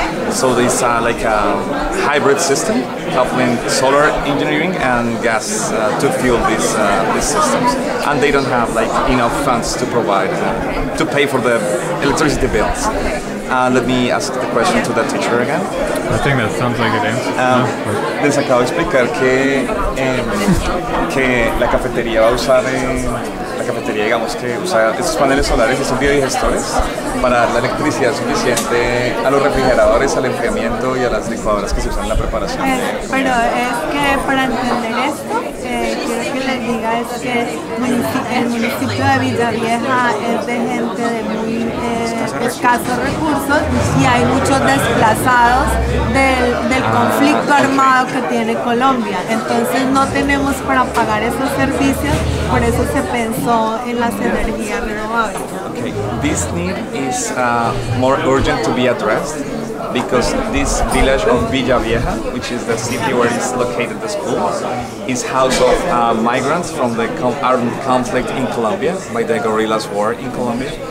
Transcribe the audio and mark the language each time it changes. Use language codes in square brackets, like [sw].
[en] So this like a hybrid system, coupling solar engineering and gas to fuel these systems. And they don't have like enough funds to provide, to pay for the electricity bills. Let me ask the question to the teacher again. I think that sounds like an answer. [es] Les acabo de explicar que, que la cafetería va a usar la cafetería, digamos que usa esos paneles solares y esos biodigestores para dar la electricidad suficiente a los refrigeradores, al enfriamiento y a las licuadoras que se usan en la preparación. Pero es que para entender esto, quiero que les diga es que el municipio de Villavieja es de gente de muy escasos recursos y hay muchos desplazados del conflicto armado que tiene Colombia. Entonces no tenemos para pagar esos servicios, por eso se pensó en las energías renovables. [en] This need is more urgent to be addressed because this village of Villa Vieja, which is the city where is located the school, is house of migrants from the armed conflict in Colombia, by the guerrillas war in Colombia.